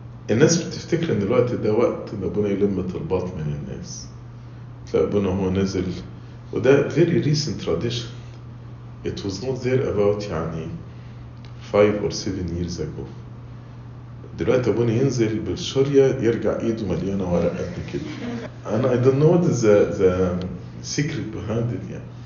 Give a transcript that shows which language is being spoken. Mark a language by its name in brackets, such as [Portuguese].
[Arabic] الناس بتفتكر ان الوقت ده وقت ان ابونا يلم طلبات من الناس، فابونا هو نزل، وده [English] very recent tradition. It was not there about يعني 5 or 7 years ago. [Arabic] دلوقتي ابونا ينزل بالشرية يرجع ايده مليانة ورقة قد كده. [English] I don't know what is the secret behind it يعني.